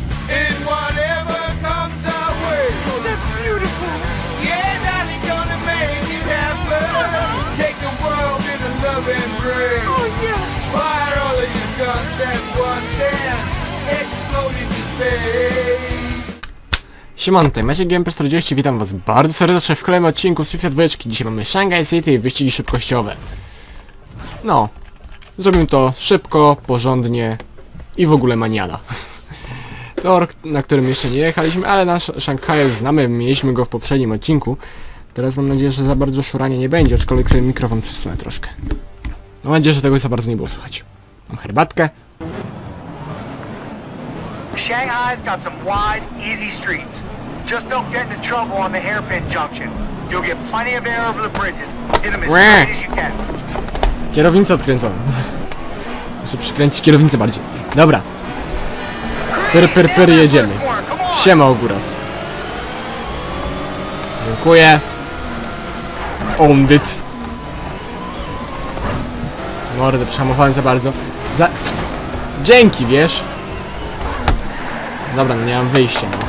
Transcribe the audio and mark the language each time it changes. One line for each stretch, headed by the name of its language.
English: And whatever comes our way. Oh, that's beautiful. Yeah, darling, gonna make it happen. Take the world in a loving ring. Oh, yes. Fire all of your guns at once and explode into space.
Polish: Siemanko, Maciek GMP40, witam was bardzo serdecznie w kolejnym odcinku z FIFA 20. Dzisiaj mamy Shanghai City i wyścigi szybkościowe. No, zrobimy to szybko, porządnie i w ogóle maniada. Tor, na którym jeszcze nie jechaliśmy, ale nasz Shanghai znamy, mieliśmy go w poprzednim odcinku. Teraz mam nadzieję, że za bardzo szurania nie będzie, aczkolwiek sobie mikrofon przesunę troszkę. Mam nadzieję, że tego za bardzo nie było słychać. Mam herbatkę.
English: Shanghai's got some wide, easy streets. Just don't get into trouble on the hairpin junction. You'll get plenty of air over the bridges. Hit them as straight as you can.
Polish: Kierownicę odkręcam. Muszę przykręcić kierownicę bardziej. Dobra. Pyr, jedziemy. Siema, Oguras. Dziękuję. Owned it. Mordę, przehamowałem za bardzo. Dzięki, wiesz? Dobra, no nie mam wyjścia.